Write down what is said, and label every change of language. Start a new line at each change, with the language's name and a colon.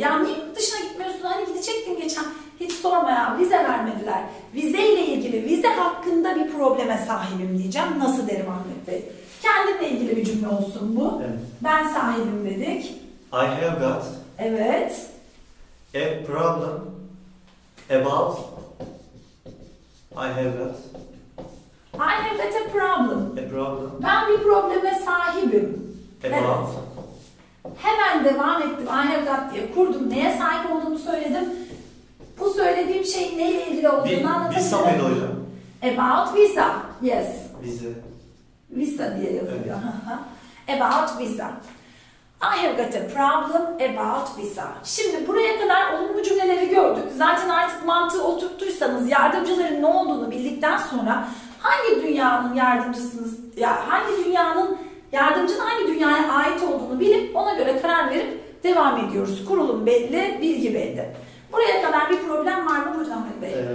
Turkish: Ya niye dışına gitmiyorsun? Hani gidecektin geçen. Hiç sorma ya. Vize vermediler. Vizeyle ilgili, vize hakkında bir probleme sahibim diyeceğim. Nasıl derim Ahmet Bey? Kendinle ilgili bir cümle olsun bu. Evet. Ben sahibim dedik.
English: I have got.
Turkish: Evet.
English: A problem about I have got. I have got a problem. A problem.
Turkish: Ben bir probleme sahibim.
English: About.
Turkish: Hemen devam ettim.
English: I have got
Turkish: diye kurdum. Neye sahip olduğumu söyledim. Bu söylediğim şey neyle ilgili olduğunu anlatabilirim. Visa mıydı hocam?
English: About visa. Yes. Visa.
Turkish: Visa diye yazıyor. Evet.
English: About visa. I have got a problem about visa.
Turkish: Şimdi buraya kadar olumlu cümleleri gördük. Zaten artık mantığı oturttuysanız, yardımcıların ne olduğunu bildikten sonra hangi dünyanın yardımcısınız, ya hangi dünyanın yardımcının hangi dünyaya ait olduğunu bilip ona göre karar verip devam ediyoruz. Kurulum belli, bilgi belli. Buraya kadar bir problem var mı hocam Ali Bey?